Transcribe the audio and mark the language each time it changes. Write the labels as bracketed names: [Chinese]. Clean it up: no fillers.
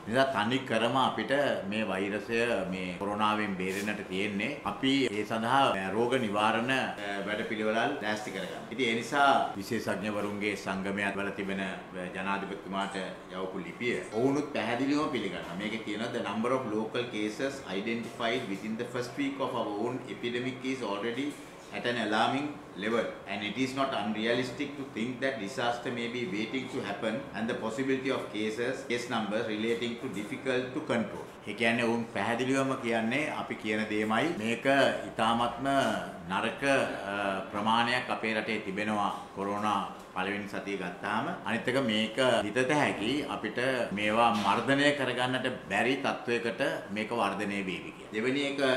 [Sinhala] ඒ නිසා තනි කරම අපිට මේ වෛරසය මේ කොරෝනාවෙන් බේරෙන්නට තියෙන්නේ අපි ඒ සඳහා රෝග නිවාරණ වැඩපිළිවෙල් දැස්ති කරගන්න. ඉතින් ඒ නිසා විශේෂඥවරුන්ගේ සංගමය වල තිබෙන ජනාධිපතිතුමාට යවපු ලිපිය ඔවුනුත් පැහැදිලිවම පිළිගන්නවා. මේකේ තියෙනවා [English] the number of local cases identified within the first week of our own epidemic is already at an alarming level and it is not unrealistic to think that disaster may be waiting to happen and the possibility of case numbers relating to difficult to control. [Sinhala] ඒ කියන්නේ ඔවුන් පැහැදිලිවම කියන්නේ අපි කියන දෙයමයි, මේක ඉතාමත්ම නරක ප්‍රමාණයක් අපේ රටේ තිබෙනවා කොරෝනා පළවෙනි සතිය ගත්තාම. අනිත් එක මේක හිතත හැකි අපිට මේවා මර්ධනය කරගන්නට බැරි තත්වයකට මේක වර්ධනය වේවි කියන දෙවෙනි එක.